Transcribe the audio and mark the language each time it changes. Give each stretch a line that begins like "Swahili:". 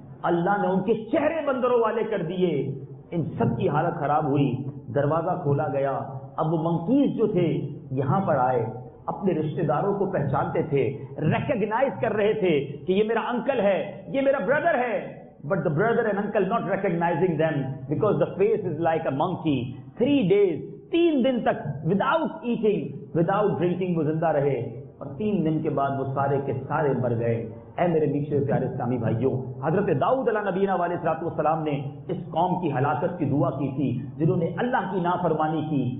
Urdu: اللہ نے ان کے چہرے بندروں والے کر دیے. ان سب کی حالت خراب ہوئی, دروازہ کھولا گیا, اب وہ منکیز جو تھے یہاں پر آئے, اپنے رشتہ داروں کو پہچانتے تھے, ریکگنائز کر رہے تھے کہ یہ میرا انکل ہے, یہ میرا برادر ہے.
English: But the brother and uncle not recognizing them because the face is like a monkey. 3 days,
Urdu: 3 دن تک
English: without eating without drinking
Urdu: وہ زندہ رہے, اور 3 دن کے بعد وہ سارے کے سارے مر گئے. اے میرے میٹھے پیارے اسلامی بھائیوں, حضرت داؤد علیہ نبینا والے صلی اللہ علیہ وسلم نے اس قوم کی ہلاکت کی دعا کی تھی جنہوں نے اللہ کی نافرمانی کی.